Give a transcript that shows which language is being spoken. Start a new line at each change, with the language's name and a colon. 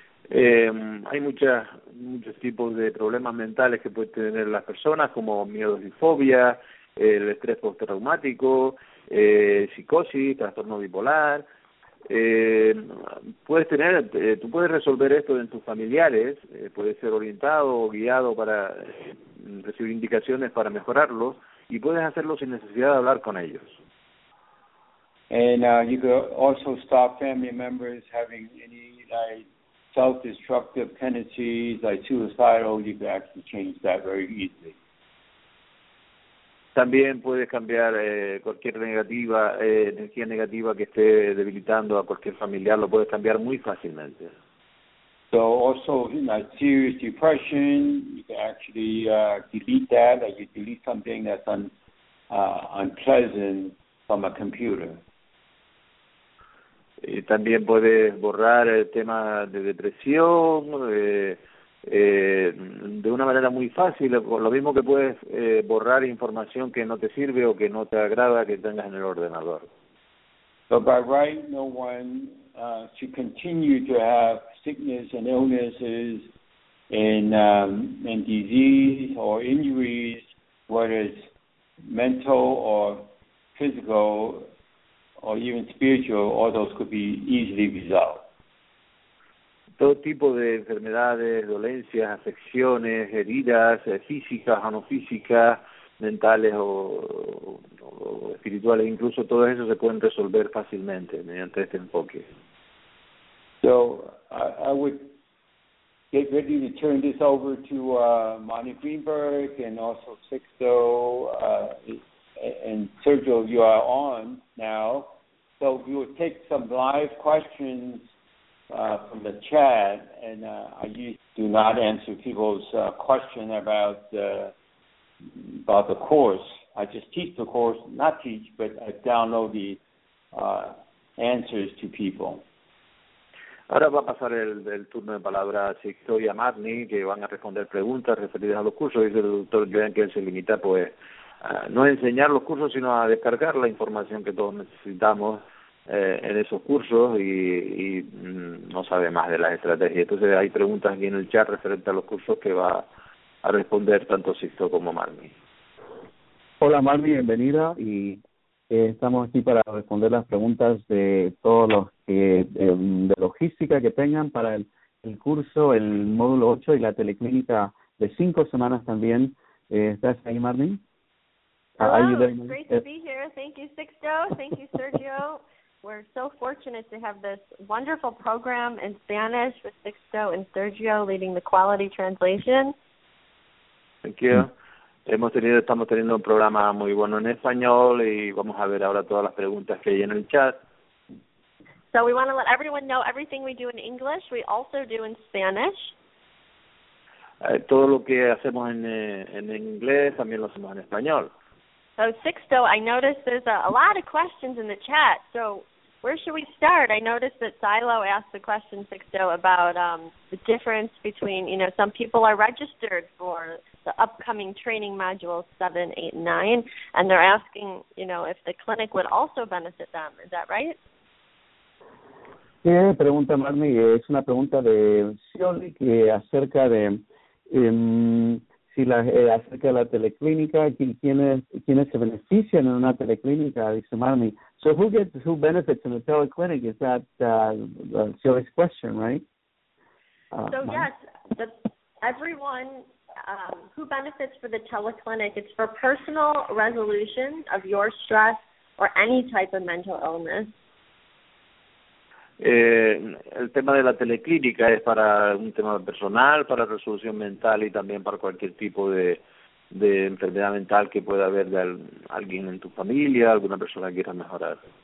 Spanish: Hay muchos tipos de problemas mentales que pueden tener las personas, como miedos y fobias, el estrés postraumático, psicosis, trastorno bipolar. Tú puedes resolver esto en tus familiares, puedes ser orientado o guiado para recibir indicaciones para mejorarlo, y puedes hacerlo sin necesidad de hablar con ellos.
English: And you could also stop family members having any self-destructive tendencies, like suicidal, you can actually change that very easily.
Spanish: También puedes cambiar cualquier negativa, energía negativa que esté debilitando a cualquier familiar, lo puedes cambiar muy fácilmente.
English: So also, you know, serious depression, you can actually delete that, like you delete something that's unpleasant from a computer.
Spanish: Y también puedes borrar el tema de depresión de una manera muy fácil, lo mismo que puedes borrar información que no te sirve o que no te agrada que tengas en el ordenador.
English: But by right, no one should continue to have sickness and illnesses and disease or injuries, whether it's mental or physical, or even spiritual, all those could be easily resolved.
Spanish: Todo tipo de enfermedades, dolencias, afecciones, heridas, físicas o no físicas, mentales o espirituales, incluso todo eso se pueden resolver fácilmente mediante este enfoque.
English: So, I would get ready to turn this over to Monty Greenberg and also Sixto, and Sergio, you are on now. So we will take some live questions from the chat, and I do not answer people's question about the course. I just teach the course, not teach, but I download the answers to people.
Spanish: Ahora va a pasar el turno de palabra a Sixto y a Marni, que van a responder preguntas referidas a los cursos. Dice el doctor Joan que él se limita pues no a enseñar los cursos, sino a descargar la información que todos necesitamos en esos cursos y no sabe más de las estrategias. Entonces hay preguntas aquí en el chat referente a los cursos que va a responder tanto Sixto como Marmi. Hola Marmi, bienvenida, y estamos aquí para responder las preguntas de todos los que de logística que tengan para el curso, el módulo 8 y la teleclínica de 5 semanas también. ¿Estás ahí Marmi?
English: Hello, it's great to be here. Thank you Sixto, thank you Sergio. We're so fortunate to have this wonderful program in Spanish with Sixto and Sergio leading the quality translation. Thank you.
Spanish: Estamos teniendo un programa muy bueno en español, y vamos a ver ahora todas las preguntas que hay en el chat.
English: So we want to let everyone know everything we do in English, we also do in Spanish.
Spanish: todo lo que hacemos en inglés también lo hacemos en español.
English: So Sixto, I noticed there's a lot of questions in the chat. So where should we start? I noticed that Silo asked the question, Sixto, about the difference between, you know, some people are registered for the upcoming training modules 7, 8, and 9, and they're asking, you know, if the clinic would also benefit them. Is that right?
Spanish: Sí, pregunta Marmi, es una pregunta de Sioli que acerca de si la acerca de la teleclínica, quiénes se benefician en una teleclínica, dice Marmi.
English: So who benefits in a teleclinic? Is that Sioli's question, right? Everyone who benefits for the teleclinic, it's for personal resolution of your stress or any type of mental illness.
Spanish: El tema de la teleclínica es para un tema personal, para resolución mental y también para cualquier tipo de enfermedad mental que pueda haber de alguien en tu familia, alguna persona que quiera mejorar.